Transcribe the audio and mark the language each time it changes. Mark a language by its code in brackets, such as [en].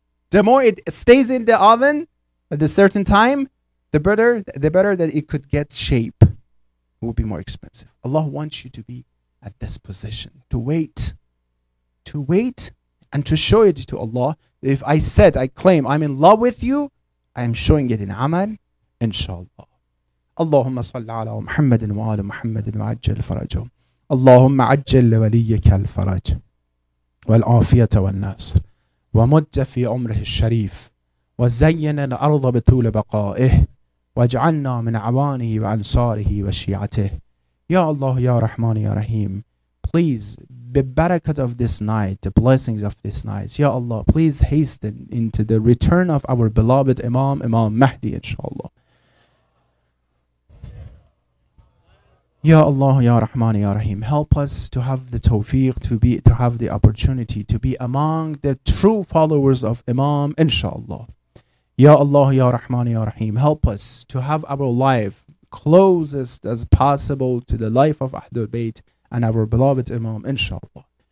[en] The more it stays in the oven at a certain time, the better that it could get shape. It will be more expensive. Allah wants you to be at this position, to wait and to show it to Allah. If I said, I claim I'm in love with you, I'm showing it in amal, inshallah. [ar] اللهم صل على محمد وآل محمد وعجل فرجه اللهم عجل لوليك الفرج والعافية والنصر ومد في عمره الشريف وزين الأرض بطول بقائه واجعلنا من عوانه وأنصاره وشيعته يا الله يا رحمن يا رحيم [en] please the barakat of this night, [ar] the blessings of this night, يا الله [en] please hasten into the return of our beloved Imam Mahdi inshallah. Ya Allah, Ya Rahman, Ya Rahim, help us to have the tawfiq, to have the opportunity to be among the true followers of Imam, inshallah. Ya Allah, Ya Rahman, Ya Rahim, help us to have our life closest as possible to the life of Ahlul Bayt and our beloved Imam, inshallah.